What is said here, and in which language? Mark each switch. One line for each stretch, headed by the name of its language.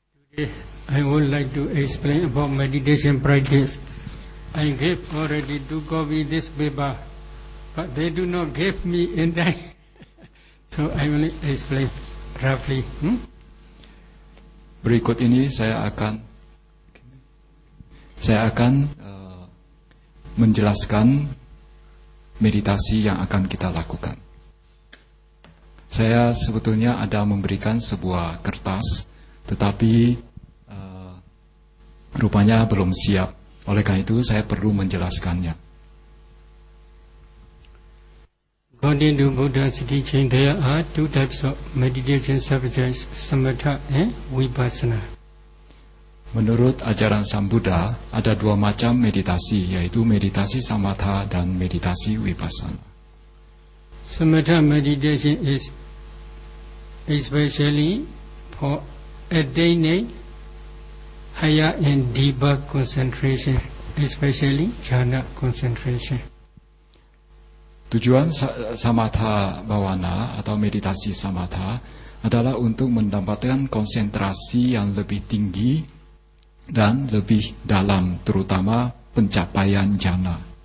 English: Today I would like to explain about meditation practice. I gave already to Gopi this paper, but they do not give me in that. So I will explain roughly.
Indonesian: Berikut ini saya akan menjelaskan meditasi yang akan kita lakukan. Saya sebetulnya ada memberikan sebuah kertas, tetapi rupanya belum siap. Oleh karena itu saya perlu menjelaskannya.
English: According to Buddha's teaching, there are two types of meditation subjects, samatha and vipassana.
Indonesian: Menurut ajaran Sang Buddha, ada dua macam meditasi, yaitu meditasi samatha dan meditasi vipassana.
English: Samatha meditation is especially for attaining higher and deeper concentration, especially jhana concentration.
Indonesian: Tujuan samatha bhavana atau meditasi samatha adalah untuk mendapatkan konsentrasi yang lebih tinggi dan lebih dalam, terutama pencapaian jhana.